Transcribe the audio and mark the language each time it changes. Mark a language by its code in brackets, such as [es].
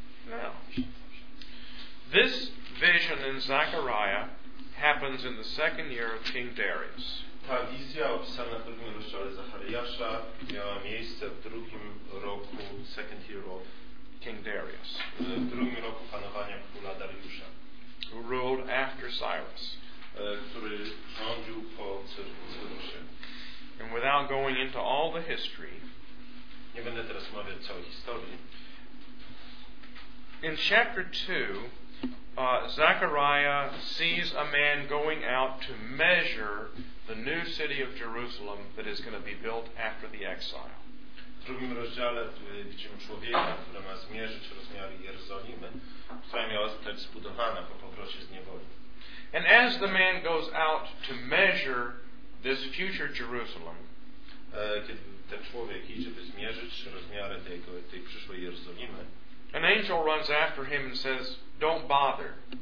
[en] Now, this vision in Zechariah happens in the second year of King Darius. [pl] Ta wizja opisana w drugim rozdziale Zachariasza miała miejsce w drugim roku, [en] second year of King Darius. [pl] W drugim roku panowania króla Dariusza. [en] Who ruled after Cyrus. [pl] Który rządził po Cyrusie. [en] And without going into all the history, [pl] nie będę teraz mówić całej historii. [en] In chapter 2, Zechariah sees a man going out to measure the new city of Jerusalem that is going to be built after the exile. [pl] W drugim rozdziale widzimy człowieka, który ma zmierzyć rozmiary Jerozolimy, która miała zostać zbudowana po powrocie z niewoli. [en] And as the man goes out to measure this future Jerusalem, [pl] kiedy ten człowiek idzie, by zmierzyć rozmiary tej przyszłej Jerozolimy, [en] an angel runs after him and says, don't bother.